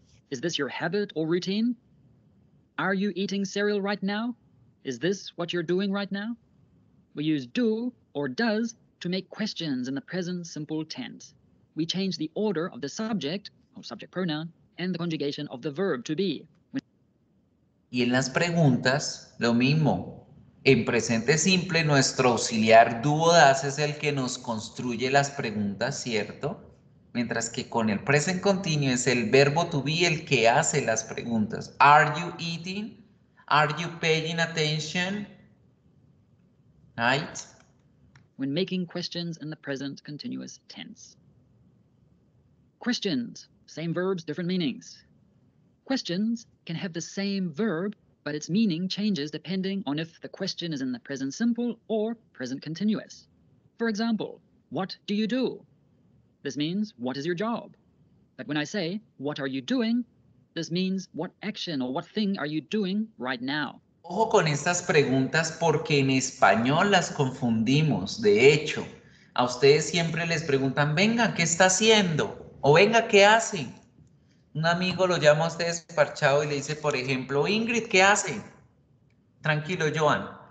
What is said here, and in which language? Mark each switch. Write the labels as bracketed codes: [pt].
[en] Is this your habit or routine? Are you eating cereal right now? Is this what you're doing right now? We use do or does to make questions in the present simple tense. We change the order of the subject, or subject pronoun, and the conjugation of the verb to be. [es] Y en las preguntas, lo mismo. En presente simple, nuestro auxiliar do o does es el que nos construye las preguntas, ¿cierto? Mientras que con el present continuo es el verbo to be el que hace las preguntas. [en] Are you eating? Are you paying attention? Right? when making questions in the present continuous tense. Questions, same verbs, different meanings. Questions can have the same verb, but its meaning changes depending on if the question is in the present simple or present continuous. For example, what do you do? This means, what is your job? But when I say, what are you doing? This means, what action or what thing are you doing right now? [es] Ojo con estas preguntas porque en español las confundimos. De hecho, a ustedes siempre les preguntan, venga, ¿qué está haciendo? O venga, ¿qué hace? Un amigo lo llama a usted desparchado y le dice, por ejemplo, Ingrid, ¿qué hace? Tranquilo, Joan.